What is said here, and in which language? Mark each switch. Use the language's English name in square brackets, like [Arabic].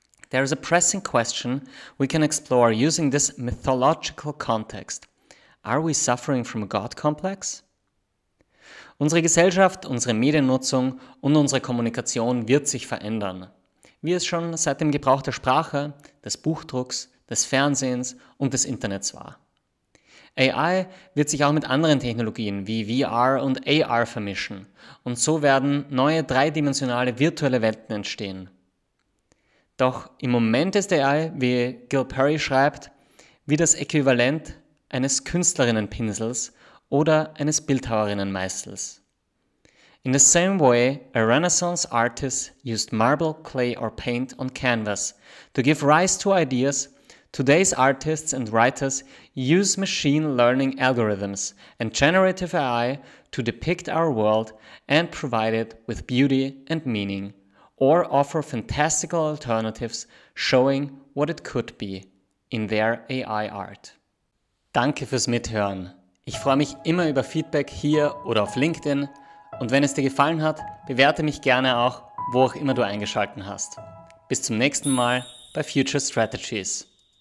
[English] There is a pressing question we can explore using this mythological context. Are we suffering from a God complex? [German] Unsere Gesellschaft, unsere Mediennutzung und unsere Kommunikation wird sich verändern, wie es schon seit dem Gebrauch der Sprache, des Buchdrucks, des Fernsehens und des Internets war. AI wird sich auch mit anderen Technologien wie VR und AR vermischen und so werden neue dreidimensionale virtuelle Welten entstehen. Doch im Moment ist AI, wie Gil Perry schreibt, wie das Äquivalent eines Künstlerinnenpinsels oder eines Bildhauerinnenmeißels. [English] In the same way, a Renaissance artist used marble, clay or paint on canvas to give rise to ideas, today's artists and writers use machine learning algorithms and generative AI to depict our world and provide it with beauty and meaning, or offer fantastical alternatives showing what it could be in their AI art. [German] Danke fürs Mithören. Ich freue mich immer über Feedback hier oder auf LinkedIn. Und wenn es dir gefallen hat, bewerte mich gerne auch, wo auch immer du eingeschalten hast. Bis zum nächsten Mal bei Future Strategies.